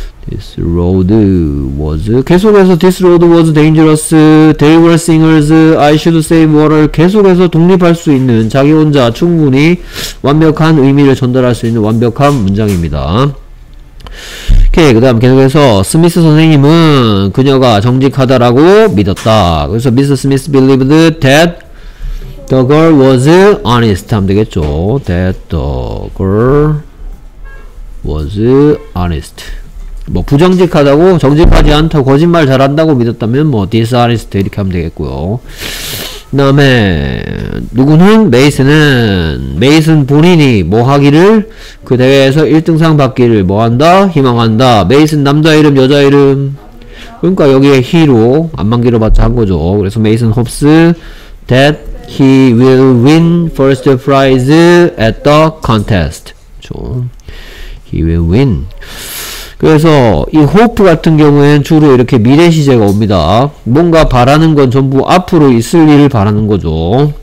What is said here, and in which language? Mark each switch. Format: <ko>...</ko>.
<en>This road was</en> <ko>계속해서</ko> <en>this road was dangerous. They were singers. I should say water.</en> <ko>계속해서 독립할 수 있는 자기 혼자 충분히 완벽한 의미를 전달할 수 있는 완벽한 문장입니다. 오케이, 그 다음 계속해서 스미스 선생님은 그녀가 정직하다라고 믿었다. 그래서 미스 스미스</ko> <en>believed that the girl was honest</en> <ko>하면 되겠죠.</ko> <en>That the girl was honest.</en> <ko>뭐 부정직하다고 정직하지 않다 거짓말 잘한다고 믿었다면 뭐 dishonest 이렇게 하면 되겠고요. 그 다음에 누구는? 메이슨은 메이슨 본인이 뭐 하기를? 그 대회에서 1등상 받기를 뭐 한다? 희망한다. 메이슨 남자 이름 여자 이름? 그러니까 여기에 he로 안만기로 받자 한 거죠. 그래서 메이슨</ko> <en>hopes that he will win first prize at the contest.</en> <ko>그렇죠.</ko> <en>He will win.</en> <ko>그래서 이 hope 같은 경우에는 주로 이렇게 미래 시제가 옵니다. 뭔가 바라는 건 전부 앞으로 있을 일을 바라는 거죠.</ko>